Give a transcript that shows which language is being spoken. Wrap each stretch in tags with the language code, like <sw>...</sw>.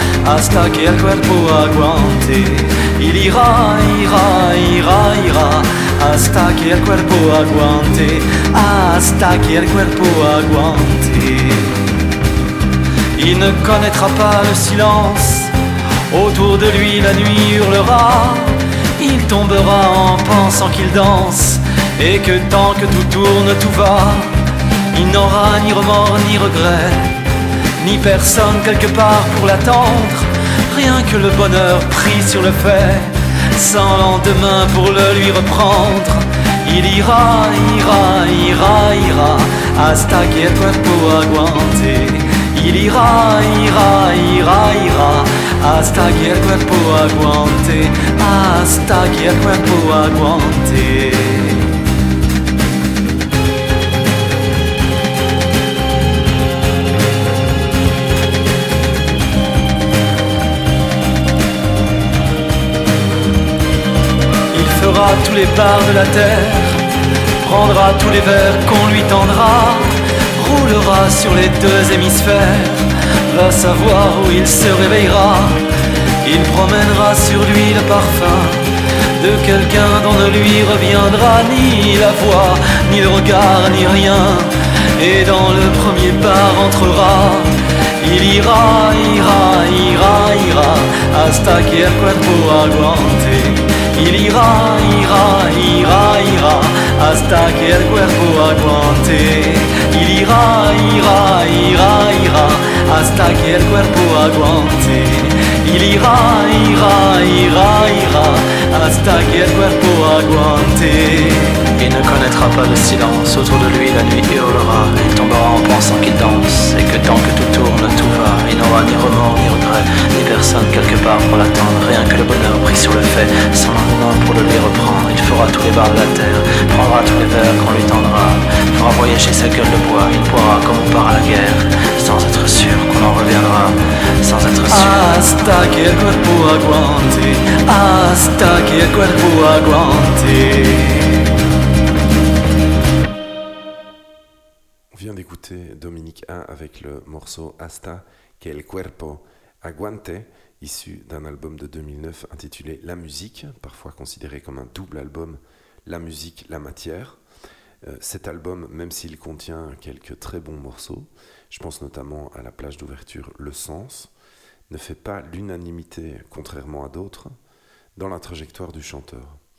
<es>Hasta que el cuerpo aguante.</es> <fr>Il ira, ira, ira, ira.</fr> <es>Hasta que el cuerpo aguante. Hasta que el cuerpo aguante.</es> <fr>Il ne connaîtra pas le silence. Autour de lui la nuit hurlera. Il tombera en pensant qu'il danse. Et que tant que tout tourne tout va. Il n'aura ni remords ni regrets. Ni personne quelque part pour l'attendre. Rien que le bonheur pris sur le fait. Sans lendemain pour le lui reprendre. Il ira, ira, ira, ira.</fr> <es>Hasta que el cuerpo aguante.</es> <fr>Il ira, ira, ira, ira.</fr> <es>Hasta que el cuerpo aguante. Hasta que el cuerpo aguante.</es> <fr>Fera tous les bars de la terre, prendra tous les verres qu'on lui tendra, roulera sur les deux hémisphères, va savoir où il se réveillera, il promènera sur lui le parfum de quelqu'un dont ne lui reviendra ni la voix, ni le regard, ni rien, et dans le premier bar entrera. Il ira, ira, ira, ira,</fr> <es>hasta que el cuerpo aguante.</es> <fr>Il ira, ira, ira, ira,</fr> <es>hasta que el cuerpo aguante.</es> <fr>Il ira, ira, ira, ira,</fr> <es>hasta que el cuerpo aguante.</es> <fr>Il ira, ira, ira, ira,</fr> <es>hasta que el cuerpo aguante.</es> <fr>Il ne connaîtra pas le silence, autour de lui la nuit hurlera. Il tombera en pensant qu'il danse, et que tant que tout tourne, tout va. Il n'aura ni remords, ni regrets, ni personne quelque part pour l'attendre. Rien que le bonheur pris sur le fait, sans un moment pour le lui reprendre. Il fera tous les bars de la terre, prendra tous les verres qu'on lui tendra. Il fera voyager sa gueule de bois, il boira comme on part à la guerre. Sans être sûr qu'on en reviendra, sans être sûr.</fr> <es>Hasta que el cuerpo aguante. Hasta que el cuerpo aguante.</es> <fr>D'écouter Dominique A avec le morceau Hasta que el cuerpo aguante, issu d'un album de 2009 intitulé La musique, parfois considéré comme un double album, La musique, la matière. Cet album, même s'il contient quelques très bons morceaux, je pense notamment à la plage d'ouverture Le Sens, ne fait pas l'unanimité, contrairement à d'autres, dans la trajectoire du chanteur.</fr>